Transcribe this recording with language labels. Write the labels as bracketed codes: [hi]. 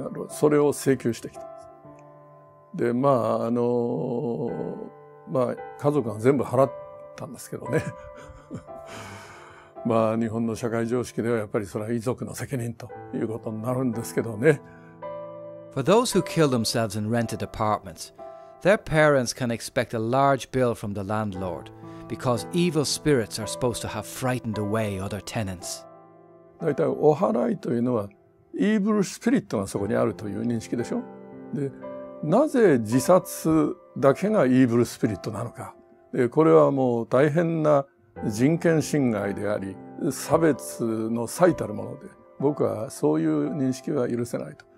[ja] それを請求してきたんです。で、まあ、まあ、家族は全部払ったんですけどね。まあ、日本の社会常識ではやっぱりそれは遺族の責任ということになるんですけどね。 [en] For those who kill themselves in rented apartments, their parents can expect a large bill from the landlord. Because evil spirits are supposed to have frightened away other tenants. [ja] だいたいお祓いというのは、イーブルスピリットがそこにあるという認識でしょ。で、なぜ自殺だけがイーブルスピリットなのか。で、これはもう大変な人権侵害であり、差別の最たるもので、僕はそういう認識は許せないと。